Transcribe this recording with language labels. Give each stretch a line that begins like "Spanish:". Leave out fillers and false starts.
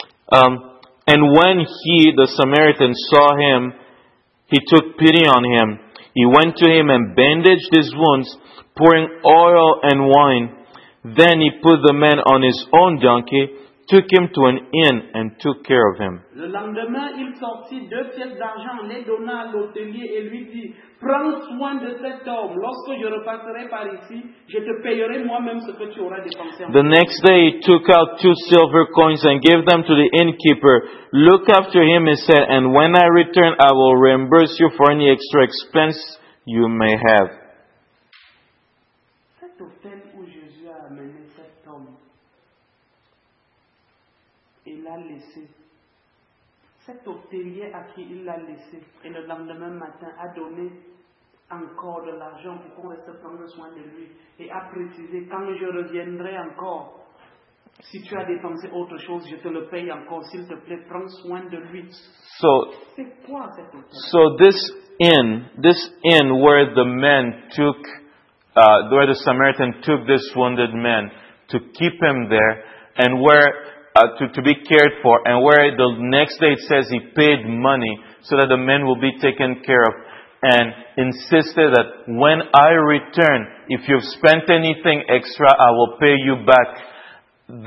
English: And when he, the Samaritan, saw him, he took pity on him. He went to him and bandaged his wounds, pouring oil and wine. Then he put the man on his own donkey, took him to an inn, and took care of him.
French: Le lendemain, il sortit deux pièces d'argent, les donna à l'hôtelier et lui dit, prends soin de cet homme. Lorsque je repasserai par ici, je te payerai moi-même ce que tu auras dépensé.
English: The next day, he took out two silver coins and gave them to the innkeeper. Look after him, he said, and when I return, I will reimburse you for any extra expense you may have.
French: Cet hôtel où Jésus a amené cet homme, il l'a laissé. Cet hôtelier à qui il l'a laissé, et le lendemain matin a donné encore de l'argent pour qu'on reste prendre soin de lui, et a précisé, quand je reviendrai encore, si tu as dépensé autre chose, je te le paye encore, s'il te plaît, prends soin de lui.
English: So,
French: c'est quoi cet hôtelier?
English: So this inn where the man took, where the Samaritan took this wounded man to keep him there, and where... To be cared for, and where the next day it says he paid money so that the man will be taken care of, and insisted that when I return, if you've spent anything extra, I will pay you back.